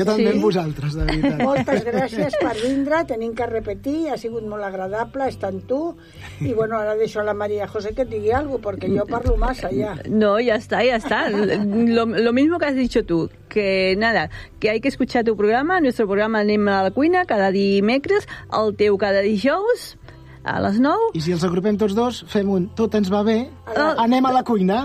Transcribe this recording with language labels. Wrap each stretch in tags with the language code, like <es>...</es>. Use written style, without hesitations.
<ca>jo també amb vosaltres, de veritat. Moltes gràcies per vindre, tenim que repetir, ha sigut molt agradable estar amb tu, i bueno, ara deixo a la Maria José que et digui alguna cosa, perquè jo parlo massa ja. No, ja està.</ca> <es>Lo mismo que has dicho tú, que nada, que hay que escuchar tu programa, nuestro programa Anem a la Cuina, cada dimecres,</es> <ca>el teu cada dijous, a les 9. I si els agrupem tots dos, fem un Tot ens va bé, Anem a la Cuina.</ca>